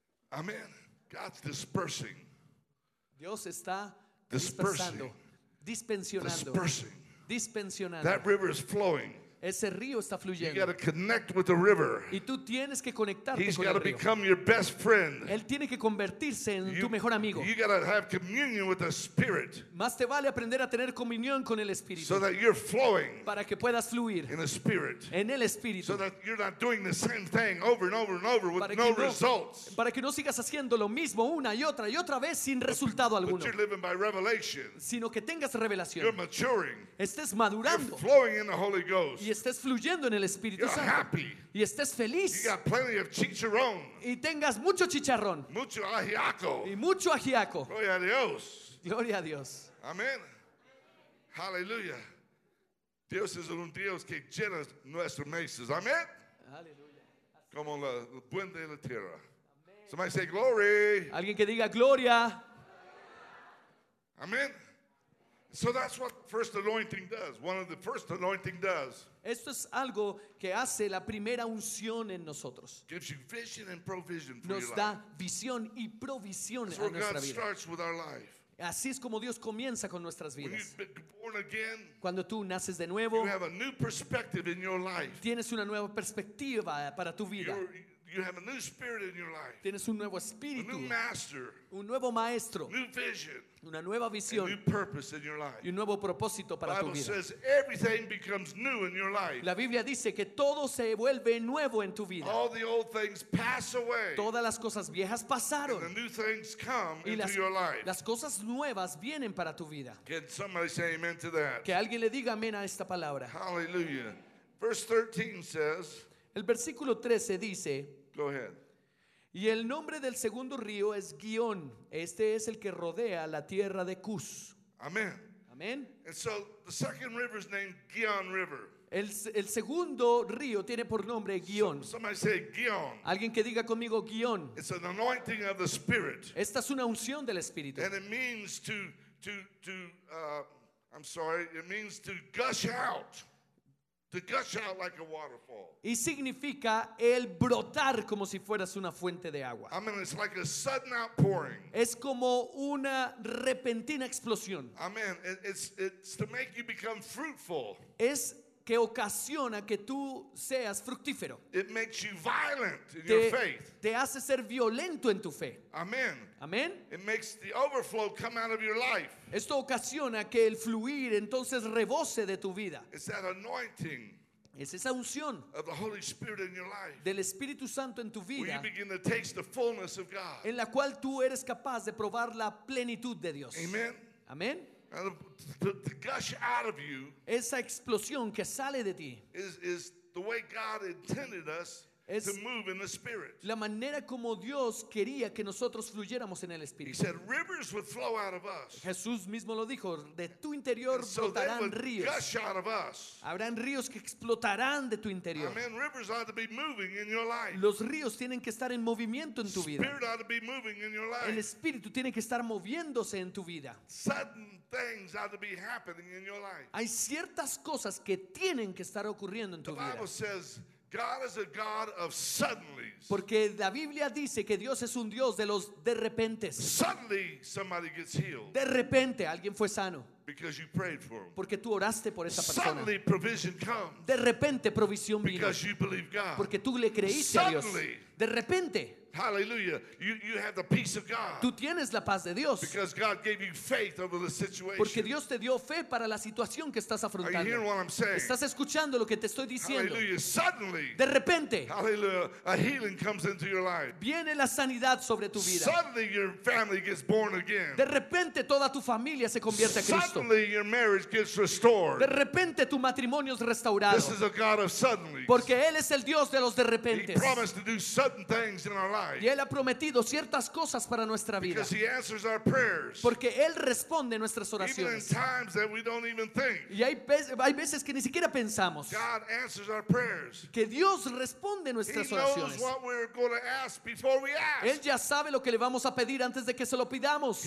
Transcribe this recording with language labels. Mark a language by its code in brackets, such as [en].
[en] Amén. God's dispersing. [es] Dios está dispersando. Dispensionando. [en] Dispersing. [es] Dispensionando. [en] That river is flowing. [es] Ese río está fluyendo. [en] You got to connect with the river. [es] Y tú tienes que conectarte [en] He's [es] con el río. [en] He's got to become your best friend. [es] Él tiene que convertirse en tu mejor amigo. [en] You got to have communion with the Spirit. [es] Más te vale aprender a tener comunión con el Espíritu. [en] So that you're flowing. [es] Para que puedas fluir. [en] In the Spirit. [es] En el Espíritu. [en] So that you're not doing the same thing over and over and over with no results. [es] Para que no sigas haciendo lo mismo una y otra vez sin resultado alguno. [en] But you're living by revelation. [es] Sino que tengas revelación. [en] You're maturing. [es] Estés madurando. [en] You're flowing in the Holy Ghost. [es] Y estés fluyendo en el Espíritu [en] You're [es] Santo [en] happy. [es] Y estés feliz [en] you got plenty of chicharrón. [es] Y tengas mucho chicharrón mucho ajiaco. Y mucho ajiaco. Gloria a Dios. Gloria a Dios. Amén. Aleluya. Dios es un Dios que llena nuestros meses. Amén. Aleluya. Como la puente de la tierra. Amén. [en] Somebody say glory. [es] Alguien que diga gloria. [en] Amén. So that's what first anointing does. One of the first anointing does. [es] Esto es algo que hace la primera unción en nosotros. [en] Gives you vision and provision for [es] Nos [en] your [es] da [en] life. [es] Visión y provisión [en] that's [es] a nuestra [en] God [es] vida. [en] Starts with our life. [es] Así es como Dios comienza con nuestras vidas. [en] When you've been born again, [es] Cuando tú naces de nuevo, [en] you have a new perspective in your life. [es] Tienes una nueva perspectiva para tu vida. [en] You have a new spirit in your life. [es] Tienes un nuevo espíritu. [en] A new master. [es] Un nuevo maestro. [en] New vision. [es] Una nueva visión y un nuevo propósito para tu vida. [en] Says everything becomes new in your life. [es] La Biblia dice que todo se vuelve nuevo en tu vida. [en] All the old things pass away. [es] Todas las cosas viejas pasaron. [en] And the new things come [es] y [en] into your life. [es] Las cosas nuevas vienen para tu vida. [en] Can somebody say amen to that? [es] Que alguien le diga amén a esta palabra. [en] Hallelujah. Verse 13 says. [es] El versículo 13 dice. [en] Go ahead. [es] Y el nombre del segundo río es Guión. Este es el que rodea la tierra de Cus. Amén. Amén. [en] And so the second river is named Guión River. [es] El segundo río tiene por nombre Guión. [en] Somebody say Guión. [es] Alguien que diga conmigo Guión. [en] It's an anointing of the Spirit. [es] Esta es una unción del Espíritu. [en] And it means to gush out. To gush out like a waterfall. [es] Y significa el brotar como si fueras una fuente de agua. [en] I mean, it's like a sudden outpouring. [es] Es como una repentina explosión. [en] I mean, it's to make you become fruitful. [es] Es que ocasiona que tú seas fructífero. [en] It makes you violent in [es] te, [en] your faith. [es] Te hace ser violento en tu fe. [en] Amen. [es] Amen. [en] It makes the overflow come out of your life. [es] Esto ocasiona que el fluir entonces rebose de tu vida. [en] It's that anointing. [es] Es esa unción [en] of the Holy Spirit in your life, [es] del Espíritu Santo en tu vida, [en] where you begin to taste the fullness of God, [es] en la cual tú eres capaz de probar la plenitud de Dios. [en] Amen. [es] Amen. [en] And to gush out of you, [es] esa explosión que sale de ti, [en] is the way God intended us to move in the Spirit. [es] La manera como Dios quería que nosotros fluyéramos en el Espíritu. [en] He said rivers would flow out of us. [es] Jesús mismo lo dijo, de tu interior brotarán ríos. [en] So they would gush out of us. [es] Habrán ríos que explotarán de tu interior. [en] Amen. Rivers ought to be moving in your life. [es] Los ríos tienen que estar en movimiento en tu vida. [en] Spirit ought to be moving in your life. [es] El Espíritu tiene que estar moviéndose en tu vida. [en] Sudden things ought to be happening in your life. [es] Hay ciertas cosas que tienen que estar ocurriendo en tu vida. [en] The Bible says God is a God of suddenlies. [es] Porque la Biblia dice que Dios es un Dios de los de repente. [en] Suddenly somebody gets healed. [es] De repente alguien fue sano. [en] Because you prayed for him. [es] Porque tú oraste por esa persona. [en] Suddenly provision comes. [es] De repente provisión vino. [en] Because you believe God. [es] Porque tú le creíste a Dios. De repente. [en] Hallelujah. You have the peace of God. [es] Tú tienes la paz de Dios. [en] Because God gave you faith over the situation. [es] Porque Dios te dio fe para la situación que estás afrontando. [en] Are you hearing what I'm saying? [es] ¿Estás escuchando lo que te estoy diciendo? [en] Hallelujah. Suddenly. [es] De repente. [en] Hallelujah. A healing comes into your life. [es] Viene la sanidad sobre tu vida. [en] Suddenly your family gets born again. [es] De repente toda tu familia se convierte a Cristo. [en] Suddenly your marriage gets restored. [es] De repente tu matrimonio es restaurado. [en] This is a God of suddenly. [es] Porque él es el Dios de los de repente. [en] He promised to do sudden things in our life. [es] Y Él ha prometido ciertas cosas para nuestra vida. [en] Because he answers our prayers. [es] Porque Él responde nuestras oraciones. [en] Even in times that we don't even think. [es] Y hay veces que ni siquiera pensamos. [en] God answers our prayers. [es] Que Dios responde nuestras [en] he [es] oraciones. [en] Knows what we're going to ask before we ask. [es] Él ya sabe lo que le vamos a pedir antes de que se lo pidamos.